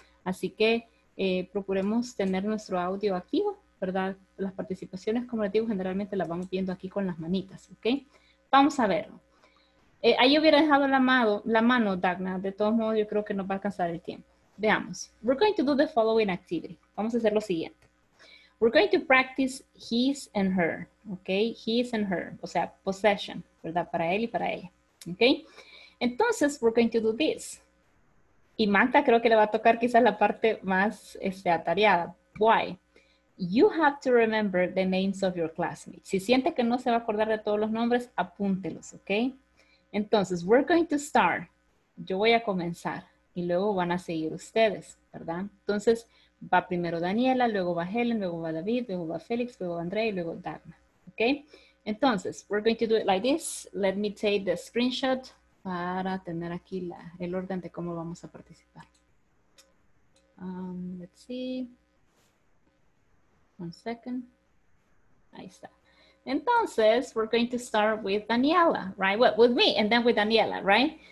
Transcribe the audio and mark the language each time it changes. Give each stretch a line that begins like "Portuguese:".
Spanish: Así que procuremos tener nuestro audio activo, ¿verdad? Las participaciones, como les digo, generalmente las vamos viendo aquí con las manitas, ¿ok? Vamos a ver. Ahí hubiera dejado la mano, Dagna. De todos modos, yo creo que no va a alcanzar el tiempo.
English: Veamos. We're going to do the following activity.
Spanish: Vamos a hacer lo siguiente.
English: We're going to practice his and her, ¿ok?
Spanish: His and her, o sea, possession, ¿verdad? Para él y para ella, ¿ok?
English: Entonces, we're going to do this.
Spanish: Y Magda creo que le va a tocar quizás la parte más atareada.
English: Why? You have to remember the names of your classmates.
Spanish: Si siente que no se va a acordar de todos los nombres, apúntelos, ¿ok? Entonces,
English: we're going to start.
Spanish: Yo voy a comenzar y luego van a seguir ustedes, ¿verdad? Entonces, va primero Daniela, luego va Helen, luego va David, luego va Félix, luego André y luego Dagna, ¿ok?
English: Entonces, we're going to do it like this. Let me take the screenshot
Spanish: para tener aquí el orden de cómo vamos a participar.
English: Let's see. One second.
Spanish: Ahí está.
English: Entonces, we're going to start with Daniela, right? Well, with me and then with Daniela, right?